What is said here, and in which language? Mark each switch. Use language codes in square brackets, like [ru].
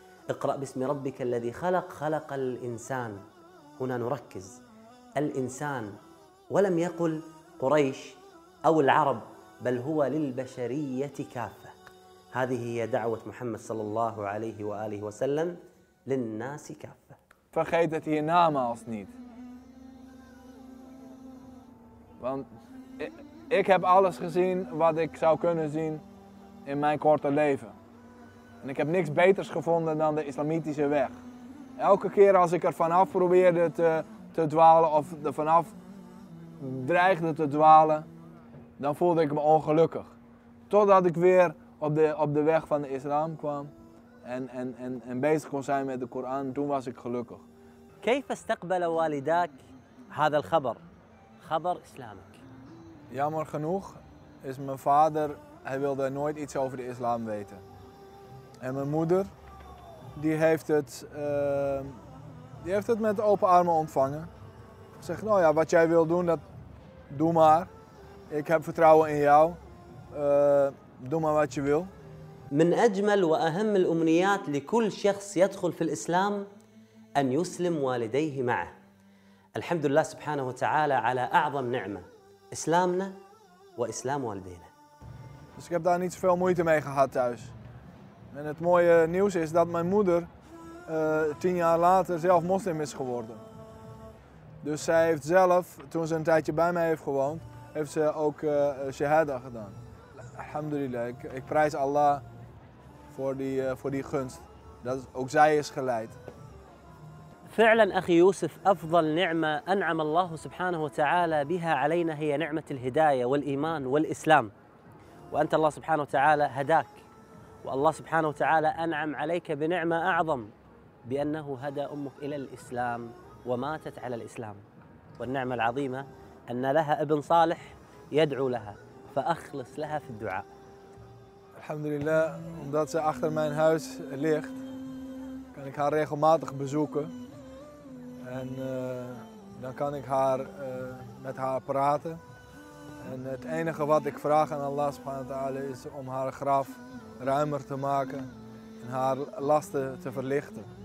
[ar] اقرأ باسم ربك الذي خلق الإنسان هنا نركز الإنسان ولم يقل قريش أو العرب بل هو للبشرية كافة هذه هي دعوة محمد صلى الله عليه وآله وسلم للناس كافة [nl] Vergeet het hiernaam als niet. Want ik heb alles gezien wat ik zou kunnen zien in mijn korte leven. En ik heb niks beters gevonden dan de islamitische weg. Elke keer als ik er vanaf probeerde te dwalen of er vanaf dreigde te dwalen, dan voelde ik me ongelukkig. Totdat ik weer op de weg van de islam kwam en bezig kon zijn met de Koran, toen was ik gelukkig. [ar] كيف استقبل والداك هذا الخبر؟ خبر اسلامك. [nl] Jammer genoeg is mijn vader, hij wilde nooit iets over de islam weten. En mijn moeder, die heeft het met open armen ontvangen. Zegt, nou ja, wat jij wil doen, dat doe maar. Ik heb vertrouwen in jou. Doe maar wat je wil. [ar] من اجمل واهم الامنيات لكل شخص يدخل في الاسلام ان يسلم والديه معه. الحمد لله سبحانه وتعالى على اعظم نعمه اسلامنا واسلام والدينا. [nl] Dus ik heb daar niet zoveel moeite mee gehad thuis. En het mooie nieuws is dat mijn moeder 10 jaar later zelf moslim is geworden. Dus zij heeft zelf, toen ze een tijdje bij mij heeft gewoond, heeft ze ook shahada gedaan. Alhamdulillah, ik prijs Allah voor die gunst. Dat ook zij is geleid. [ar] فعلا اخي يوسف افضل نعمه انعم الله سبحانه وتعالى بها علينا هي نعمه الهدايه والايمان والاسلام. وانت الله سبحانه وتعالى هداك. والله سبحانه وتعالى انعم عليك بنعمه اعظم بانه هدى امك الى الاسلام وماتت على الاسلام. والنعمه العظيمه ان لها ابن صالح يدعو لها. فاخلص لها في الدعاء. الحمد لله [nl] omdat ze achter mijn huis ligt kan ik haar regelmatig bezoeken. En dan kan ik haar met haar praten. En het enige wat ik vraag aan Allah [ar] subhanahu wa ta'ala [nl] is om haar graf ruimer te maken en haar lasten te verlichten.